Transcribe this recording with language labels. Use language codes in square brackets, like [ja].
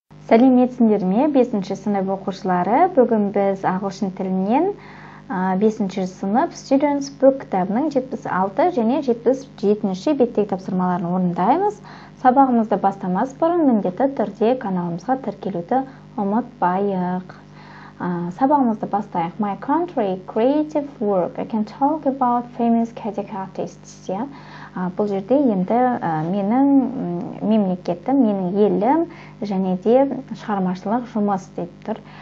[kk] Сәлеметсіңдер ме, 5-ші сынып оқушылары. Бүгін біз ағылшын тілінен 5-ші сынып Students Book кітабының 76 және 77-ші беттегі тапсырмаларын орындаймыз. Сабағымызды бастамас бұрын міндетті түрде каналымызға тіркелуді ұмытпайық. Сабағымызды бастайық. [en] My country, creative work. I can talk about famous Celtic artists. [kk] Бұл жерде енді менің мемлекетім, менің елім және де шығармашылық жұмыс деп тұр.